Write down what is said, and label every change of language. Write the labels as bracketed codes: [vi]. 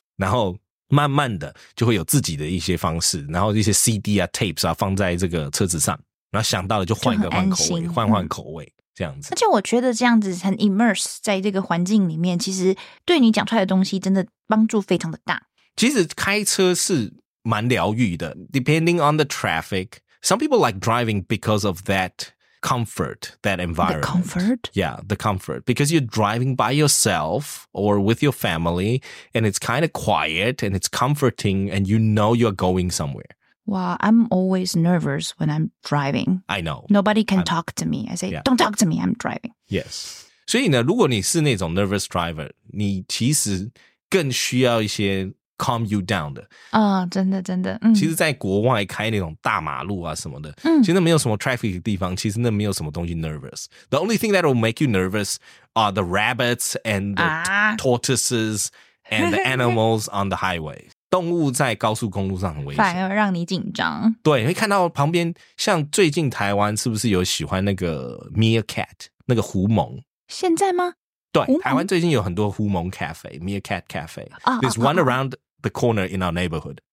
[zh] 然后慢慢的就会有自己的一些方式，然后一些 CD 啊、tapes 啊放在这个车子上，然后想到了就换一个换口味，换口味。这样子，而且我觉得这样子很 immerse 在这个环境里面，其实对你讲出来的东西真的帮助非常的大。其实开车是蛮疗愈的 ， [en] depending on the traffic. Some people like driving because of that comfort, that environment. The comfort, yeah, the comfort because you're driving by yourself or with your family, and it's kind of quiet and it's comforting, and you know you're going somewhere. Wow, I'm always nervous when I'm driving. I know. Nobody can talk to me. I say,、yeah. don't talk to me, I'm driving. [zh] Yes. 所以呢，如果你是那种 nervous driver, 你其实更需要一些 [en] calm you down [zh] 的。啊、真的真的。其实在国外开那种大马路啊什么的、其实那没有什么 traffic 的地方，其实那没有什么东西 nervous. [en] The only thing that will make you nervous are the rabbits and the tortoises and the animals on the highway. [zh] 动物在高速公路上很危险，反而让你紧张。对，会看到旁边，像最近台湾是不是有喜欢那个 meerkat 那个狐獴？现在吗？对，台湾最近有很多狐獴咖啡 meerkat cafe， [en] there's one around the corner in our neighborhood。